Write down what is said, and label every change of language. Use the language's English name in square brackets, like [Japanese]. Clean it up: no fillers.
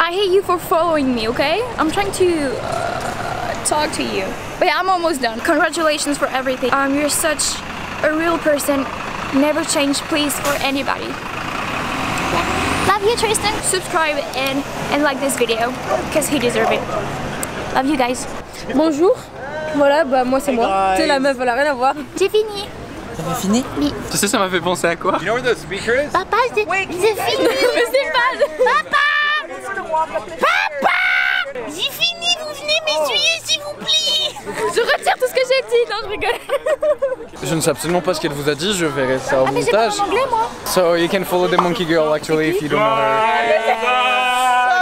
[English] I hate you for following me, okay? I'm trying to talk to you. But yeah, I'm almost done. Congratulations for everything. You're such a real person. Never change, please, for anybody. Yeah. Love you, Tristan. Subscribe and like this video, because he deserves it. Love you guys. [French] Bonjour. Voilà, bah moi, c'est moi. T'es la meuf, elle a rien à voir. J'ai fini. T'avais fini? Oui. Tu sais, ça m'a fait penser à quoi? [English] You know where the speaker is? [French] Papa, j'ai fini. Mais c'est pas... Papa! Papa! J'ai fini, vous venez m'essuyer s'il vous plaît! Je retire tout ce que j'ai dit, non, je rigole! Je ne sais absolument pas ce qu'elle vous a dit, je verrai ça au montage. Ah, mais j'ai pas en anglais, moi! [English] So, you can follow the monkey girl actually if you don't know her.